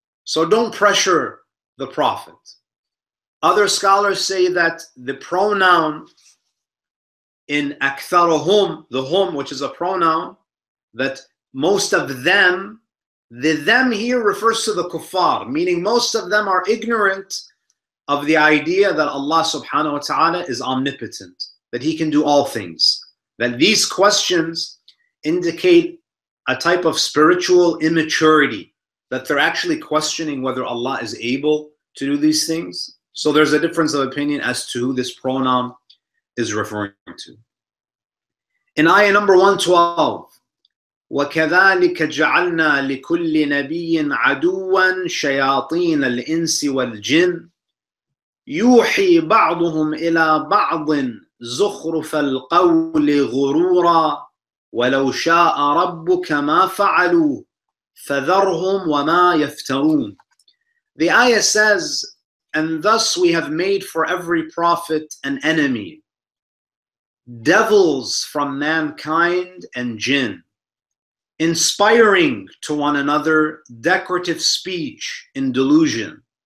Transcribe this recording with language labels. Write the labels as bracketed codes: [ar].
[en] So don't pressure the Prophet. Other scholars say that the pronoun in aktharuhum, the hum, which is a pronoun, that most of them, the them here refers to the kuffar, meaning most of them are ignorant of the idea that Allah subhanahu wa ta'ala is omnipotent, that he can do all things. That these questions indicate a type of spiritual immaturity, that they're actually questioning whether Allah is able to do these things. So there's a difference of opinion as to who this pronoun is referring to. In ayah number 112, [ar] وَكَذَلِكَ جَعَلْنَا لِكُلِّ نَبِيٍ عَدُوًا شَيَاطِينَ الْإِنسِ وَالْجِنِ يُوحِي بَعْضُهُمْ إِلَى بَعْضٍ زُخْرُفَ الْقَوْلِ غُرُورًا وَلَوْ شَاءَ رَبُّكَ مَا فَعَلُوا فَذَرْهُمْ وَمَا يَفْتَرُونَ. [en] The ayah says, and thus we have made for every prophet an enemy, devils from mankind and jinn, inspiring to one another decorative speech in delusion.